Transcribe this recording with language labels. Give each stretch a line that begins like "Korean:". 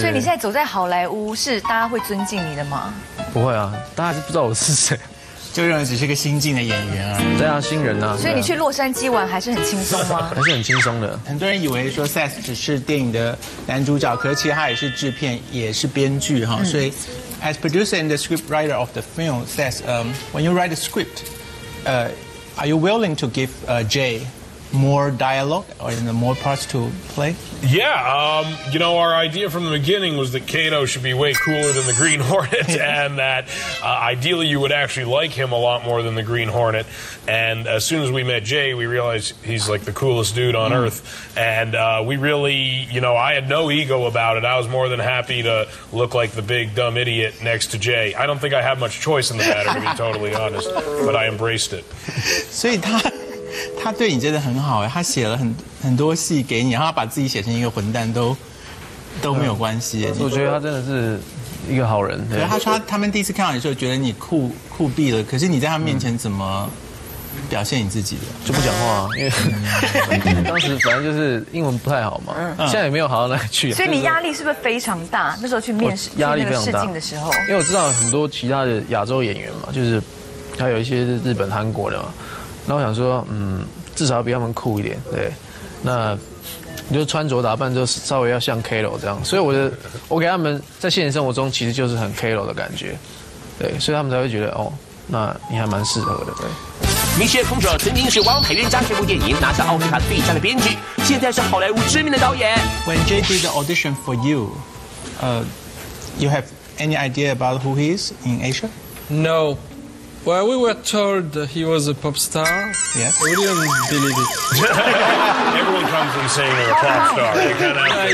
Chinese: 所以你现在走在好莱坞，是大家会尊敬你的吗？不会啊，大家是不知道我是谁。就认为只是个新进的演员而已。对啊，新人啊。所以你去洛杉矶玩还是很轻松吗？还是很轻松的。很多人以为说 Seth 只是电影的男主角，可是其实他也是制片，也是编剧哈。
English: 所以 ，as producer and the script writer of the film, Seth, when you write a script, are you willing to give Jay more dialogue or in the more parts to play? Yeah, you know, our idea from the beginning was that Kato should be way cooler than the Green Hornet, and that ideally you would actually like him a lot more than the Green Hornet. And as soon as we met Jay, we realized he's like the coolest dude on Earth. And we really, you know, I had no ego about it. I was more than happy to look like the big dumb idiot next to Jay. I don't think I have much choice in the matter, to be totally honest, but I embraced it.
Chinese: So他对你真的很好，他写了很多戏给你，然后把自己写成一个混蛋都没有关系。我觉得他真的是一个好人。对，他说他们第一次看到你的时候觉得你酷毙了，可是你在他面前怎么表现你自己的？就不讲话，因为当时反正就是英文不太好嘛，现在也没有好到哪去。所以你压力是不是非常大？那时候去面试压力非常大的时候，因为我知道很多其他的亚洲演员嘛，就是还有一些是日本、韩国的嘛。那我想说，至少要比他们酷一点，对。那你就穿着打扮就稍微要像 Kato 这样，所以我给他们在现实生活中其实就是很 Kato 的感觉，对，所以他们才会觉得哦，那你还蛮适合的，对。米歇尔·丰泽曾经是《王牌冤家》这部电影拿下奥斯卡最佳的编剧，现在是好莱坞知名的导演。
English: When Jay did the audition for you, you have any idea about who he is in Asia? No. Well, we were told he was a pop star. Yes. We didn't believe it. Everyone comes from saying they're a pop star.